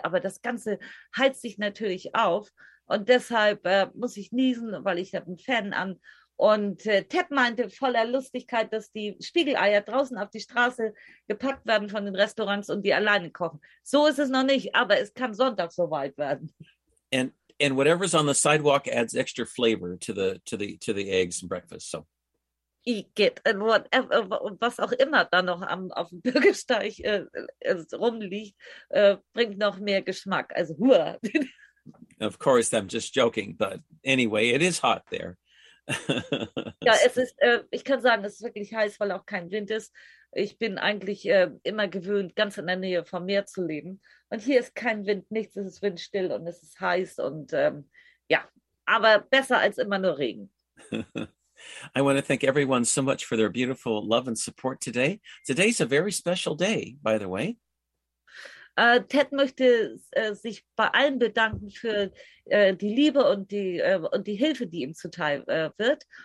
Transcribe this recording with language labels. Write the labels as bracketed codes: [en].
[de] Aber das Ganze heizt sich natürlich auf. Und deshalb muss ich niesen, weil ich habe einen Fan an. Und Ted meinte voller Lustigkeit, dass die Spiegeleier draußen auf die Straße gepackt werden von den Restaurants und die alleine kochen. So ist es noch nicht, aber es kann Sonntag soweit werden. [en] And whatever's on the sidewalk adds extra flavor to the eggs and breakfast, so. Eat it, [de] and was auch immer da noch auf dem Bürgersteig rumliegt, bringt noch mehr Geschmack. Also, hua. [en] Of course, I'm just joking, but anyway, it is hot there. [de] Ja, es ist, ich kann sagen, es ist wirklich heiß, weil auch kein Wind ist. Ich bin eigentlich immer gewöhnt, ganz in der Nähe vom Meer zu leben. Und hier ist kein Wind, nichts, es ist windstill und es ist heiß und ja, aber besser als immer nur Regen. [en] I want to thank everyone so much for their beautiful love and support today. Today's a very special day, by the way. [de] Ted möchte sich bei allen bedanken für die Liebe und die Hilfe, die ihm zuteil wird.